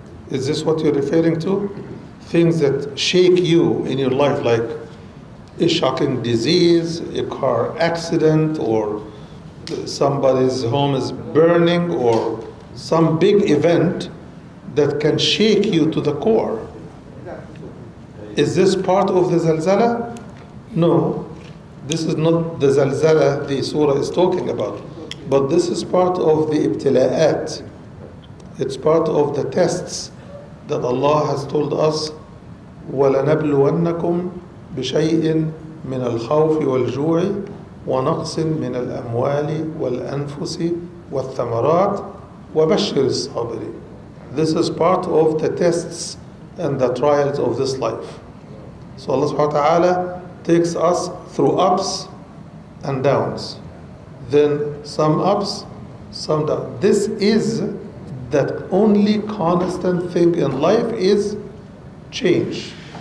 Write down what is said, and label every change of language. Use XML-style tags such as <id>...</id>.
<en>Is this what you're referring to? Things that shake you in your life, like a shocking disease, a car accident, or somebody's home is burning, or some big event that can shake you to the core. Is this part of the zalzala? No, this is not the zalzala the surah is talking about. But this is part of the ibtila'at. It's part of the tests that Allah has told us,</en> <ar>وَلَنَبْلُوَنَّكُمْ بِشَيْءٍ مِنَ الْخَوْفِ وَالْجُوعِ وَنَقْصٍ مِنَ الْأَمْوَالِ وَالْأَنْفُسِ وَالثَّمَرَاتِ وَبَشِّرِ الصَّابِرِينَ.</ar> <en>This is part of the tests and the trials of this life. So Allah subhanahu wa ta'ala takes us through ups and downs. Then some ups, some downs. This is that only constant thing in life is change.</en>